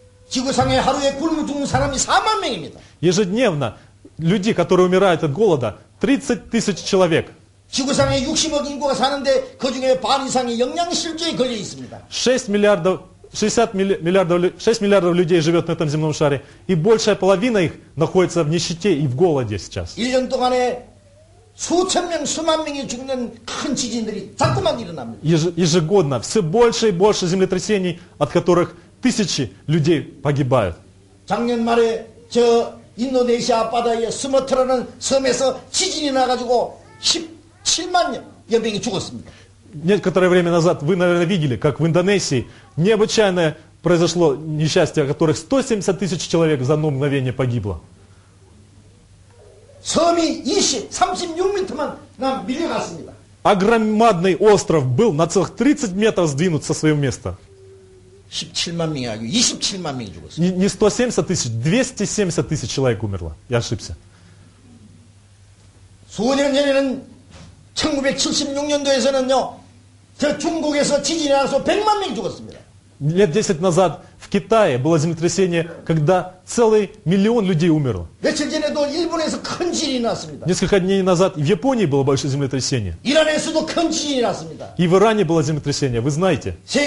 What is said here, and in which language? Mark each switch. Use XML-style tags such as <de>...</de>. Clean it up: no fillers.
<ru>Ежедневно люди, которые умирают от голода, 30 тысяч человек. 60 миллиардов, 6 миллиардов людей живет на этом земном шаре, и большая половина их находится в нищете и в голоде сейчас.</ru> <ko>1년 동안에 수천 명, 수만 명이 죽는 큰 지진들이 자꾸만 일어납니다.</ko> <ru>Ежегодно все больше и больше землетрясений, от которых тысячи людей погибают.</ru> <ko>작년 말에 저 인도네시아 바다에 스마트라는 섬에서 지진이 나가지고 17만 여 명이 죽었습니다.</ko> <ru>Некоторое время назад вы, наверное, видели, как в Индонезии необычайное произошло несчастье, от которых 170 тысяч человек за одно мгновение погибло.</ru> <ko>섬이 36m만 нам밀려갔습니다.</ko> <ru>Огромный остров был на целых 30 метров сдвинут со своего места.</ru> <ko>17만 명이 아니고 27만 명이 죽었어요.</ko> <ru>Не 170 тысяч, 270 тысяч человек умерло. Я ошибся.</ru> <ko>수년 전에는 1976년도에서는요, 저 중국에서 지진이 나서 100만 명이 죽었습니다.</ko> <ru>Лет 10 назад в Китае было землетрясение, когда целый миллион людей умерло. Несколько дней назад в Японии было большое землетрясение. И в Иране было землетрясение, вы знаете.</ru>